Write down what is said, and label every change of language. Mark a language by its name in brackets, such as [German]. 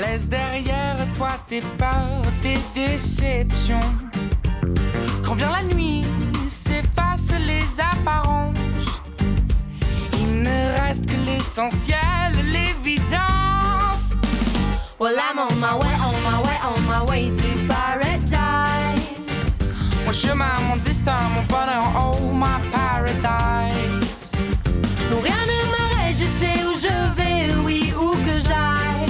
[French] Derrière toi tes peurs, tes déceptions. Quand vient la nuit, s'effacent les apparences. Il ne reste que l'essentiel, l'évidence. [English] Well, I'm on my way, on my way, on my way to paradise. [French] Mon chemin, mon destin, mon bonheur, [English] oh my paradise. [French] Non, rien ne m'arrête, je sais où je vais, oui, où que j'aille.